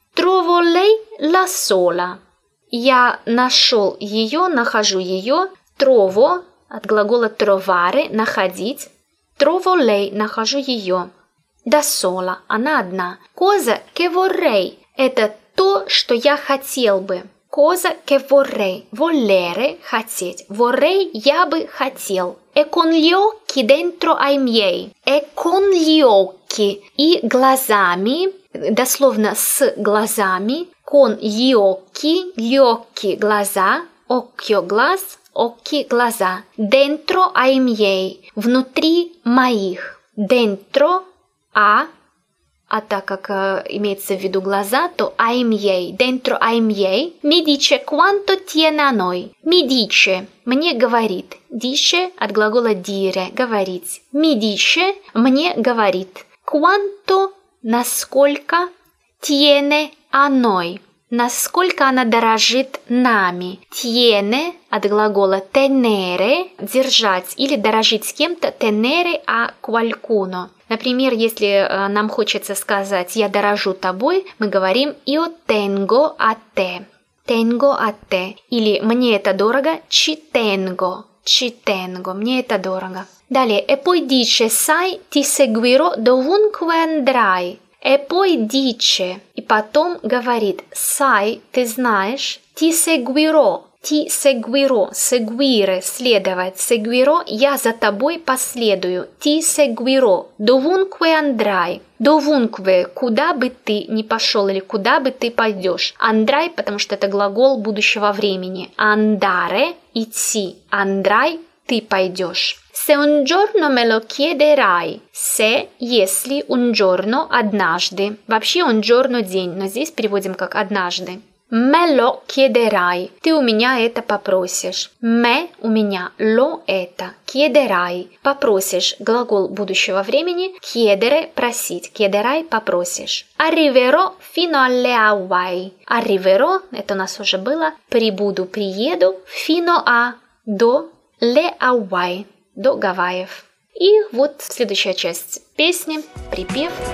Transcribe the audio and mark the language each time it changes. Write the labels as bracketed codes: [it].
[it] Trovo lei la sola. [ru] Я нашел ее, нахожу ее. Trovo, от глагола trovare, находить. [it] Trovo lei, [ru] нахожу ее. [it] Da sola, [ru] она одна. [it] Cosa che vorrei, [ru] это то, что я хотел бы. [it] Cosa che vorrei, volere, [ru] хотеть. Vorrei, я бы хотел. [it] E con gli occhi dentro ai miei. E con gli occhi. [ru] И глазами, дословно с глазами. [it] Con gli occhi, [ru] глаза. Occhio, глаз. Occhi, глаза. [it] Dentro ai miei. [ru] Внутри моих. Dentro, а так как имеется в виду глаза, то [it] ai miei. Dentro ai miei. Mi dice quanto tiene a noi. Mi dice. [ru] Мне говорит. Dice от глагола dire. Говорить. [it] Mi dice. [ru] Мне говорит. [it] Quanto, [ru] насколько, [it] tiene a noi. [ru] Насколько она дорожит нами. Tiene от глагола tenere – держать или дорожить с кем-то. [it] Tenere a qualcuno. [ru] Например, если нам хочется сказать «я дорожу тобой», мы говорим [it] «io tengo a te». Tengo a te. [ru] Или «мне это дорого» – [it] «ci tengo». «Ci tengo». [ru] «Мне это дорого». Далее. [it] «E poi dice, sai, ti seguirò dovunque andrai». E poi dice, [ru] и потом говорит, sai, ты знаешь, [it] ti seguirò, [ru] seguire, следовать, seguirò, я за тобой последую, ti seguirò, [it] dovunque andrai, [ru] dovunque, куда бы ты ни пошел или куда бы ты пойдешь, andrai, потому что это глагол будущего времени, andare, идти, andrai, ты пойдешь. [it] Se un giorno me lo chiederai. Se, [ru] если, [it] un giorno, [ru] однажды. Вообще, [it] un giorno, [ru] день, но здесь переводим как однажды. [it] Me lo chiederai. [ru] Ты у меня это попросишь. Me, у меня, lo, это. Chiederai, попросишь. Глагол будущего времени. Chiedere, просить. Chiederai, попросишь. [it] Arriverò fino alle Hawaii. [ru] Arriverò, это у нас уже было. Прибуду, приеду. [it] Fino a, [ru] до, [it] le Hawaii. [ru] До Гавайев. И вот следующая часть песни, припев.